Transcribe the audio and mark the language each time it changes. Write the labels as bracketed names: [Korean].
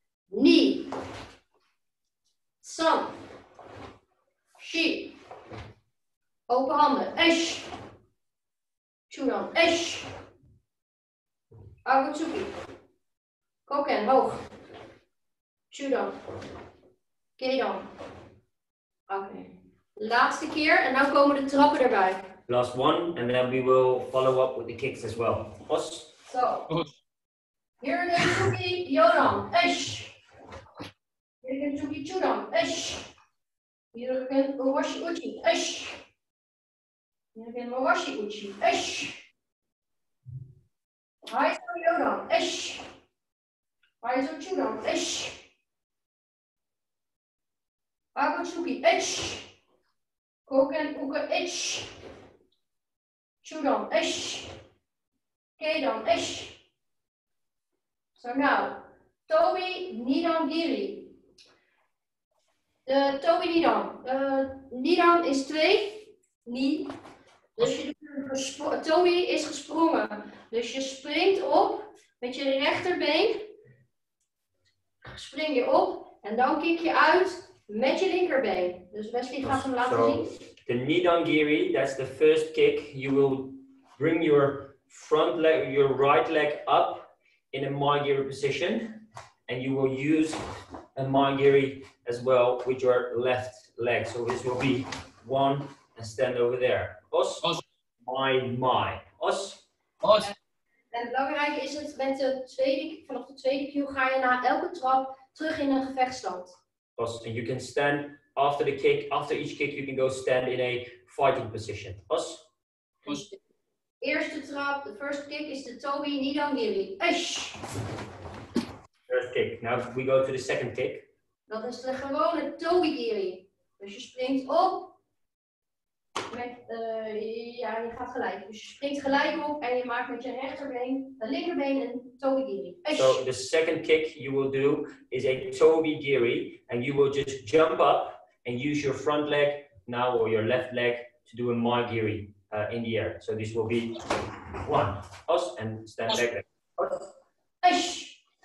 [Japanese] Ni. Sun. She. [Dutch] Open handen. [Japanese] Ish. Chunan. Ish. Agutsuki. Koken, hoog. Chunan. Kedan. Oké. Okay. [Dutch] Laatste keer en dan komen de trappen erbij. [English] Last one, and then we will follow up with the kicks as well. Us. So, here again, Chuki Yodan, Ish. Here again, Chuki Chudan, Ish. Here again, Owashi Uchi, Ish. Here again, Owashi Uchi, Ish. Haizo Yodan, Ish. Haizo Chudan, Ish. Ago Chuki, Ish. Koken Uka, Ish. Chudan, ish. Kedan, ish. So now, Tobi Nidan Giri. Tobi Nidan. [Dutch] Nidan is twee. Ni. Dus je Tobi is gesprongen. Dus je springt op met je rechterbeen. Spring je op en dan kick je uit met je linkerbeen. Dus Wesley gaat hem laten zien. [English] The Nidan Giri, that's the first kick you will bring your front leg, your right leg up in a maigiri position, and you will use a maigiri as well with your left leg. So this will be one and stand over there. Os, os. My, my. Os. Os. [Dutch] En belangrijk is het, met de tweede, vanaf de tweede cue ga je na elke trap terug in een gevechtsstand. [English] Os, and you can stand after the kick, after each kick you can go stand in a fighting position. Os. Os. [Dutch] Eerste trap, [English] the first kick is the Tobi Nidan Giri. Ish! First kick, now we go to the second kick. [Dutch] Dat is de gewone Tobi Giri. Dus je springt op. Met, ja, je gaat gelijk. Dus je springt gelijk op en je maakt met je rechterbeen, de linkerbeen een Tobi Giri. Ish! [English] So the second kick you will do is a Tobi Giri. And you will just jump up and use your front leg now or your left leg to do a Maigiri. In the air. So this will be one. Os and stand back. Os. Ish.